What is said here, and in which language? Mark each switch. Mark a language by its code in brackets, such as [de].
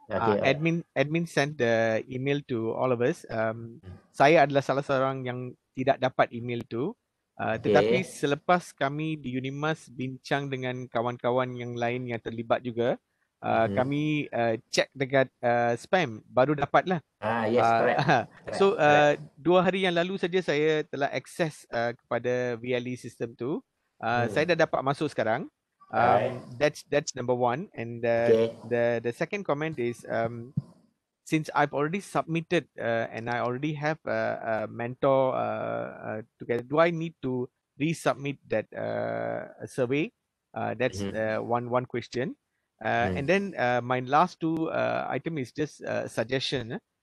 [en] Admin sent the email to all of us. [ms] Saya adalah salah seorang yang tidak dapat email tu. Tetapi selepas kami di UNIMAS bincang dengan kawan-kawan yang lain yang terlibat juga, kami check dekat spam, baru dapatlah. [en] Correct. [ms] Dua hari yang lalu saja saya telah access kepada VLE system tu. Saya dah dapat masuk sekarang. [en] That's number one. And the second comment is, since I've already submitted and I already have a mentor together, do I need to resubmit that survey? That's one question. And then my last two item is just a suggestion.